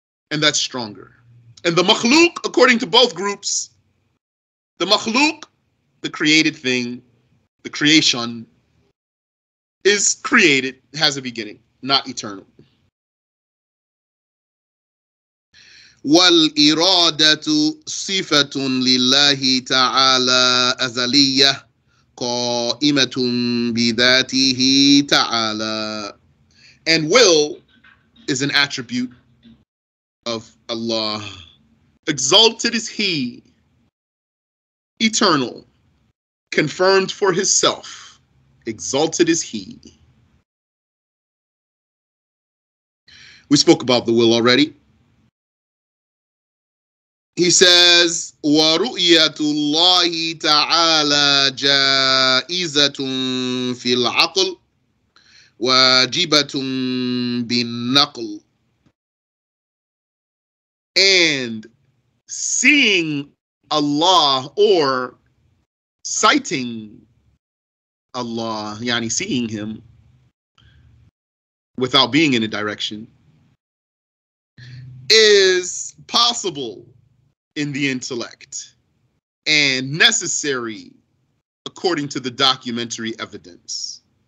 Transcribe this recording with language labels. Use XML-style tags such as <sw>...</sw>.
<en>And that's stronger. And the Makhluq, according to both groups, the Makhluq, the created thing, the creation, is created, has a beginning, not eternal.</en> <ar>والإرادة صفة لله تعالى أزلية قائمة بذاته تعالى.</ar> <en>And will is an attribute of Allah. Exalted is He, eternal, confirmed for Himself. Exalted is He. We spoke about the will already. He says,</en> <ar>وَرُؤْيَةُ اللَّهِ تَعَالَى جَائِزَةٌ فِي الْعَقْلِ وَاجِبَةٌ بِالنَّقْلِ.</ar> <en>And seeing Allah, or sighting Allah, yani seeing Him without being in a direction, is possible in the intellect and necessary according to the documentary evidence.</en>